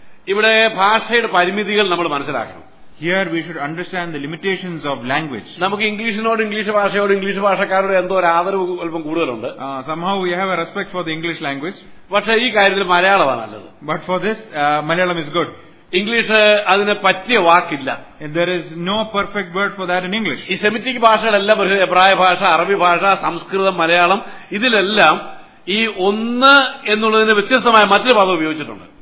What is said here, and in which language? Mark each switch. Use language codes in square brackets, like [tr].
[ml] ഇവിടെ ഭാഷയുടെ പരിമിതികൾ നമ്മൾ മനസ്സിലാക്കണം [en] here we should understand the limitations of language [ml] നമുക്ക് ഇംഗ്ലീഷ് ഭാഷക്കാരുടെ എന്തോ ഒരു ആദരവ് അല്പം കൂടുതലുണ്ട് [en] somehow we have a respect for the English language [ml] പക്ഷേ ഈ കാര്യത്തിൽ മലയാളമാണ് നല്ലത് [en] but for this Malayalam is good [ml] English അതിന് പറ്റിയ വാക്കില്ല [en] there is no perfect word for that in English [ml] ഈ സെമിറ്റിക് ഭാഷകളെല്ലാം എബ്രായ ഭാഷ അറബി ഭാഷ സംസ്കൃതം മലയാളം ഇതിലെല്ലാം ഈ ഒന്ന് എന്നുള്ളതിന് വ്യത്യസ്തമായ മറ്റൊരു പദം ഉപയോഗിച്ചിട്ടുണ്ട്